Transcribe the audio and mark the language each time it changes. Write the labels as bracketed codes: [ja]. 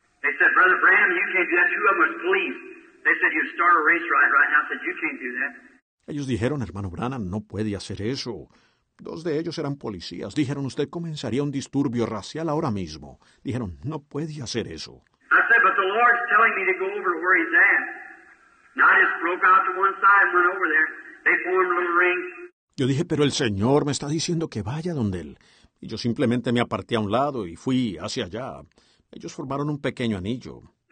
[en] They said, Brother Branham, you can't do that. Two of them was police. They said, you start a race riot right now. I said, you can't do that. [es] Ellos dijeron, hermano Branham, no puede hacer eso. Dos de ellos eran policías. Dijeron, usted comenzaría un disturbio racial ahora mismo. Dijeron, no puede hacer eso. [en] I said, but the Lord's telling me to go over to where he's at. And I just broke out to one side and went over there. They formed a little ring. [es] Yo dije, pero el Señor me está diciendo que vaya donde Él. Y yo simplemente me aparté a un lado y fui hacia allá. Ellos formaron un pequeño anillo.